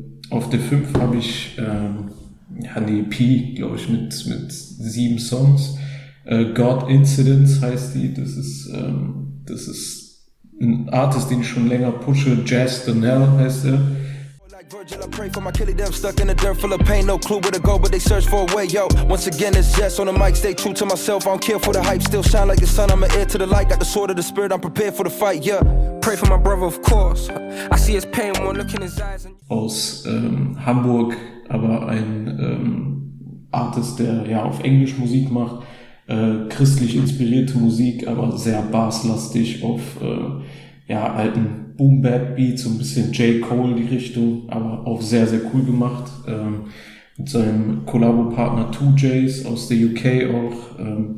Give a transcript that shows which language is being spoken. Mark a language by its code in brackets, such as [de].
[de] Auf der 5 habe ich eine EP, glaube ich, mit 7 Songs. God Incidents heißt die. Das ist ein Artist, den ich schon länger pushe. Jazz Donnell heißt er. [en] Virgil, I pray for my killie, them stuck in a dirt full of pain. No clue where to go, but they search for a way, yo. Once again, it's yes on the mic, stay true to myself. I don't care for the hype, still shine like the sun. I'm an heir to the light, got the sword of the spirit. I'm prepared for the fight, yeah. Pray for my brother, of course. I see his pain when I look in his eyes. [de] Aus Hamburg, aber ein Artist, der ja auf Englisch Musik macht. Christlich inspirierte Musik, aber sehr basslastig auf alten Boom-Bap-Beats, so ein bisschen J. Cole die Richtung, aber auch sehr, sehr cool gemacht. Mit seinem Kollabo-Partner 2Js aus der UK auch.